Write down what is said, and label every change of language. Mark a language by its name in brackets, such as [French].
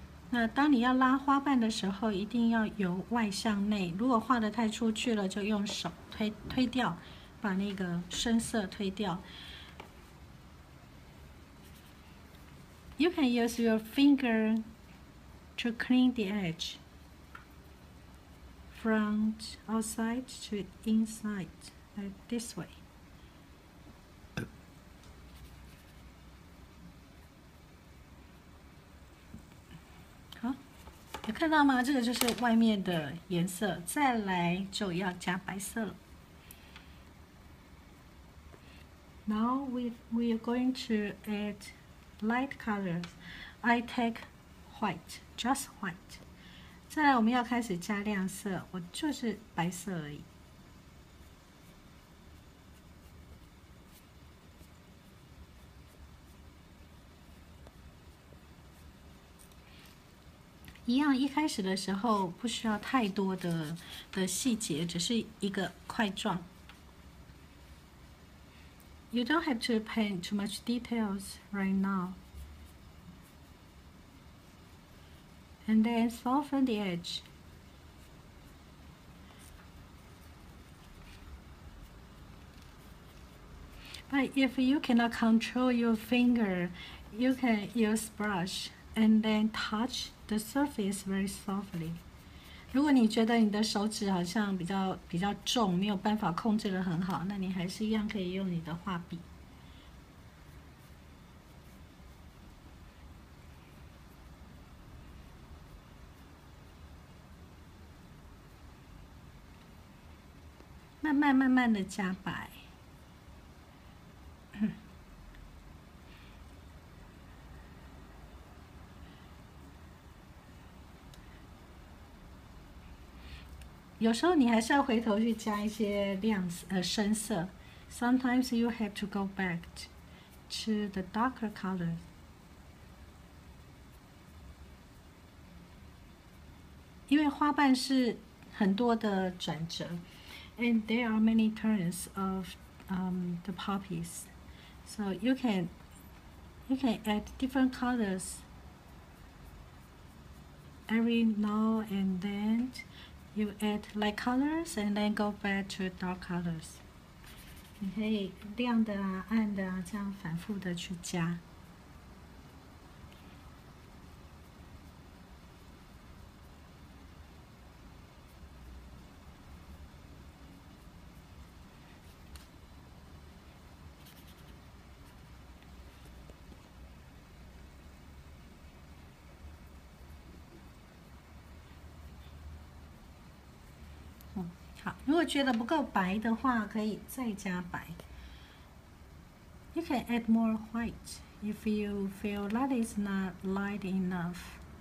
[Chinese] 那当你要拉花瓣的时候，一定要由外向内。如果画得太出去了，就用手推掉，把那个深色推掉。 [English] You can use your finger to clean the edge from outside to inside, like this way. [Chinese] 有看到吗？这个就是外面的颜色，再来就要加白色了。 [English] Now we are going to add light colors. I take white, just white. [Chinese] 再来，我们要开始加亮色，我就是白色而已。一样，一开始的时候不需要太多的细节，只是一个块状。 [English] You don't have to paint too much details right now. And then soften the edge. 但 if you cannot control your finger, you can use brush and then touch the surface very softly. [Chinese] 如果你觉得你的手指好像比较重，没有办法控制得很好，那你还是一样可以用你的画笔。慢慢慢慢的加白。有时候你还是要回头去加一些亮色，深色。 [English] Sometimes you have to go back to the darker color. [Chinese] 因为花瓣是很多的转折， [English] and there are many turns of the poppies, so you can add different colors every now and then. You add light colors and then go back to dark colors. [Chinese] 你可以亮的啊、暗的啊，这样反复的去加。好，如果觉得不够白的话，可以再加白。 [English] You can add more white if you feel that is not light enough.